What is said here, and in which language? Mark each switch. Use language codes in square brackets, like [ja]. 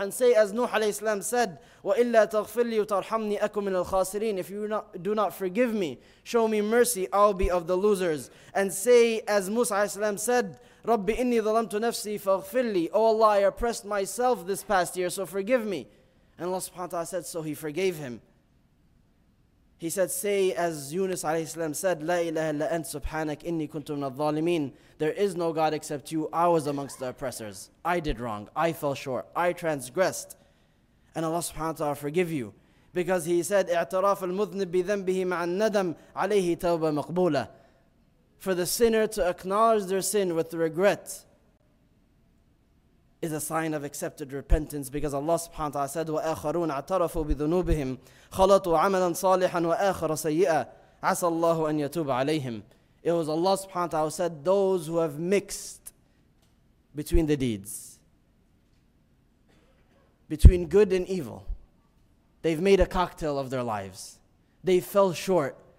[en] And say as Nuh alayhi salam said, [ar] وَإِلَّا تَغْفِرْ لِي وَتَرْحَمْنِي أَكُمْ مِنَ الْخَاسِرِينَ. [en] If you do not forgive me, show me mercy, I'll be of the losers. And say as Musa alayhi salam said, [ar] رَبِّ إِنِّي ظَلَمْتُ نَفْسِي فَاغْفِرْ لِي. [en] Oh Allah, I oppressed myself this past year, so forgive me. And Allah subhanahu wa ta'ala said, so he forgave him. He said, say as Yunus alayhi salam said, [ar] لَا إِلَهَ إِلَّا أَنْتَ سُبْحَانَكَ إِنِّي كُنْتُ مِنَ الظَّالِمِينَ. [en] There is no God except you. I was amongst the oppressors. I did wrong. I fell short. I transgressed. And Allah subhanahu wa ta'ala forgive you. Because he said, [ar] اعتراف المذنب بذنبه مع الندم عليه توبة مقبولة. [en] For the sinner to acknowledge their sin with regret is a sign of accepted repentance, because Allah subhanahu wa ta'ala said, [ar] وآخرون اعترفوا بذنوبهم خلطوا عملا صالحا وآخر سيئا عسى الله أن يتوب عليهم. [en] It was Allah subhanahu wa ta'ala who said, those who have mixed between the deeds, between good and evil, they've made a cocktail of their lives. They fell short.